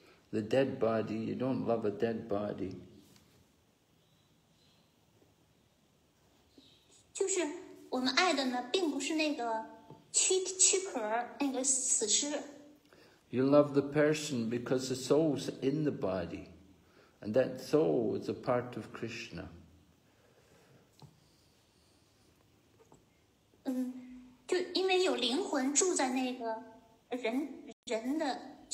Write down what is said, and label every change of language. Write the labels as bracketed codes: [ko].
[en] The dead body, you don't love a dead body. [zh] 就是我们爱的呢，并不是那个躯壳，那个死尸。 [en] You love the person because the soul's in the body, and that soul is a part of Krishna. [zh] 就因为有灵魂住在那个人的。